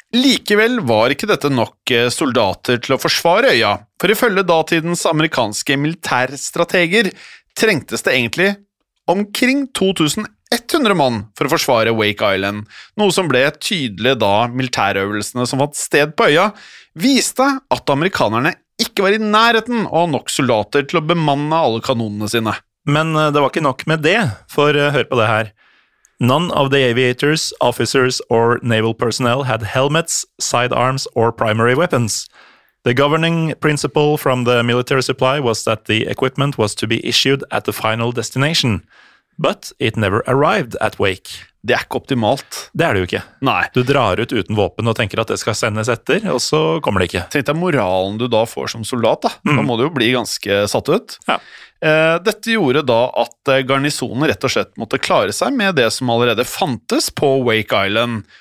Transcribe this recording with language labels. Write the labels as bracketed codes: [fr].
[no] Likevel var ikke dette nok soldater til å forsvare øya, for ifølge datidens amerikanske militærstrateger trengtes det egentlig omkring 2100 mann for å forsvare Wake Island, noe som ble tydelig da militærøvelsene som fant sted på øya viste at amerikanerne ikke var i nærheten av nok soldater til å bemanne alle kanonene sine. Men det var ikke nok med det, for hør på det her. [en] None of the aviators, officers or naval personnel had helmets, sidearms or primary weapons. The governing principle from the military supply was that the equipment was to be issued at the final destination. But it never arrived at Wake. [no] Det ikke optimalt. Det det jo ikke. Nei. Du drar ut uten våpen og tenker at det skal sendes etter, og så kommer det ikke. Tenk deg moralen du da får som soldat, da. Da må du jo bli ganske satt ut. Ja. Dette gjorde da at garnisonen rett og slett måtte klare seg med det som allerede fantes på Wake Island.